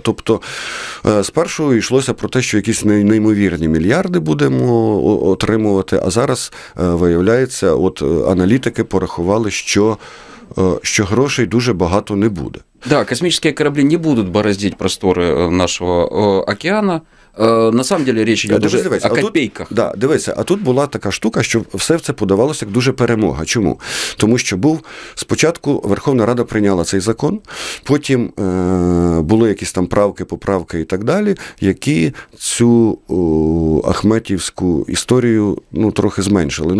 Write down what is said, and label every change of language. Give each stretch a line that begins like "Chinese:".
Ukrainian: Тобто спершу йшлося про те, що якісь неймовірні мільярди будемо отримувати, а зараз виявляється, от аналітики порахували, що грошей дуже багато не буде. Да, космічні кораблі не будуть бороздити простори нашого океану.
Russian: На самом деле речь идет уже о копейках.
Ukrainian: Да, дивися, а тут була така штука, що все це подавалося як дуже перемога. Чому? Тому що був спочатку Верховна Рада прийняла цей закон, потім були якісь там правки, поправки і так далі, які цю ахметівську історію, ну, трохи зменшили.